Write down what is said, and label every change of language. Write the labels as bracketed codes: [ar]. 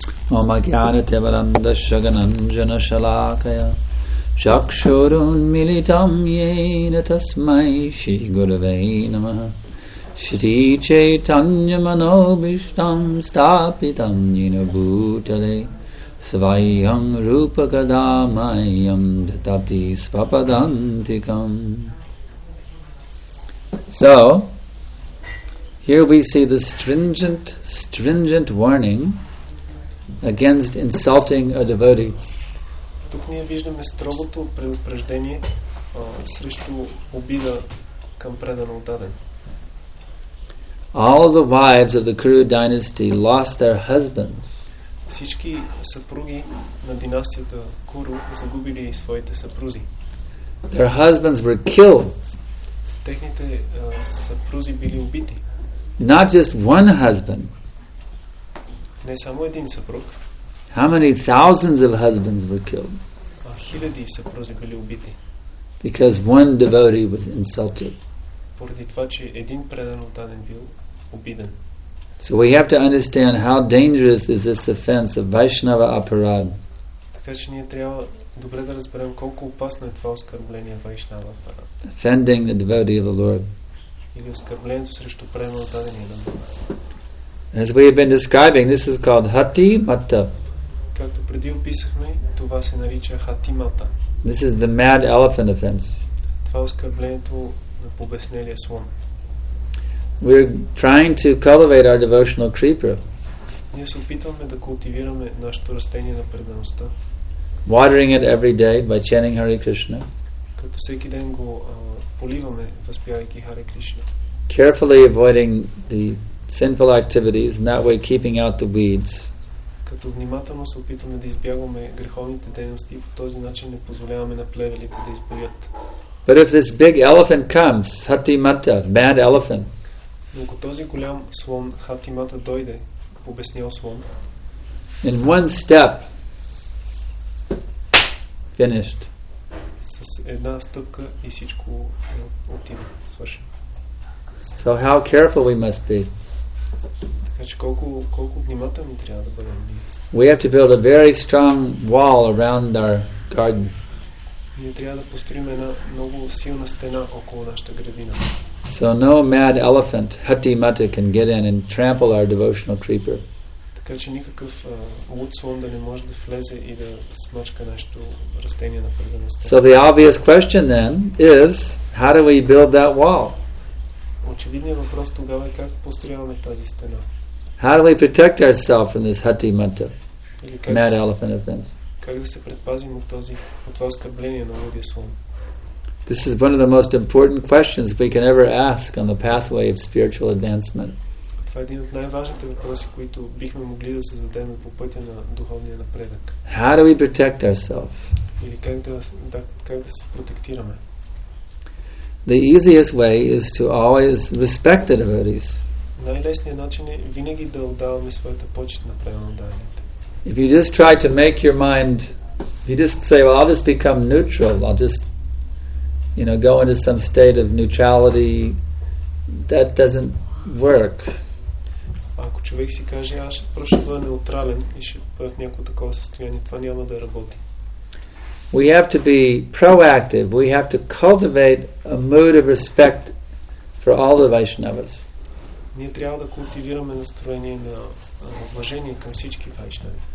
[sa] Om Agyanate Varanda Shaganamjana Shalakaya Shakshurun Militam Yena Tasmai Shri Gurave Namaha Shri Chaitanya Manobishtam Stapitam Yena Bhutale Svayam Rupa Kadamayam Dhatati Svapadantikam. [en] So, here we see the stringent warning against insulting a devotee. [bg] Тук ние виждаме строгото предупреждение срещу обида към предан отдаден. [en] All the wives of the Kuru dynasty lost their husbands. [bg] Всички съпруги на династията Куру загубили своите съпрузи. [en] Their husbands were killed. [bg] Техните съпрузи били убити. [en] Not just one husband. [bg] Не само един съпруг. [en] How many thousands of husbands were killed? [bg] Хиляди съпрузи били убити. [en] Because one devotee was insulted. [bg] Поради това, че един предан отдаден бил обиден. [en] So we have to understand how dangerous is this offense of Vaishnava Aparad. [bg] Така че ние трябва добре да разберем колко опасно е това оскърбление Вайшнава Апарад. [en] Offending the devotee of the Lord. [bg] Или оскърблението срещу премия от дадения на Бога. [en] As we have been describing, this is called Hati Mata. [bg] Както преди описахме, това се нарича Hati Mata. [en] This is the mad elephant offense. [bg] Това е оскърблението на побеснелия слон. [en] We are trying to cultivate our devotional creeper. [bg] Ние се опитваме да култивираме нашето растение на преданността. [en] Watering it every day by chanting Hare Krishna. [bg] Като всеки ден го поливаме, възпявайки Hare Krishna. [en] Carefully avoiding the sinful activities, and that way keeping out the weeds. [bg] Като внимателно се опитваме да избягваме греховните дейности, по този начин не позволяваме на плевелите да избоят. [en] But if this big elephant comes, Hati Mata, mad elephant. [bg] Но ако този голям слон Hati Mata дойде, побеснял слон. [en] In one step, finished. [bg] С една стъпка и всичко отива, свършено. [en] So how careful we must be. [bg] Така че колко внимателни трябва да бъдем. [en] We have to build a very strong wall around our garden. [bg] Ние трябва да построим една много силна стена около нашата градина. [en] So no mad elephant, Hati Mata, can get in and trample our devotional creeper. [bg] Така че никакъв луд слон да не може да влезе и да смачка нашето растение на преданността. [en] So the obvious question then is, how do we build that wall? [bg] Очевидният въпрос тогава е как построяваме тази стена. [en] How do we protect ourselves from this Hati Mata, mad elephant offense? [bg] Как да се предпазим от това оскърбление на лудия слон? [en] This is one of the most important questions we can ever ask on the pathway of spiritual advancement. [bg] Това е един от най-важните въпроси, които бихме могли да се зададем по пътя на духовния напредък. [en] How do we protect ourselves? [bg] Или как да се протектираме? [en] The easiest way is to always respect the devotees. [bg] Най-лесният начин е винаги да отдаваме своята почет на преданите. [en] If you just try to make your mind, if you just say, well, I'll just become neutral, I'll just, you know, go into some state of neutrality, that doesn't work. [bg] Ако човек си каже, аз просто ще бъда неутрален и ще бъда в някакво такова състояние, това няма да работи. [en] We have to be proactive. We have to cultivate a mood of respect for all the Vaishnavas. [bg] Ние трябва да култивираме настроение на уважение към всички вайшнави.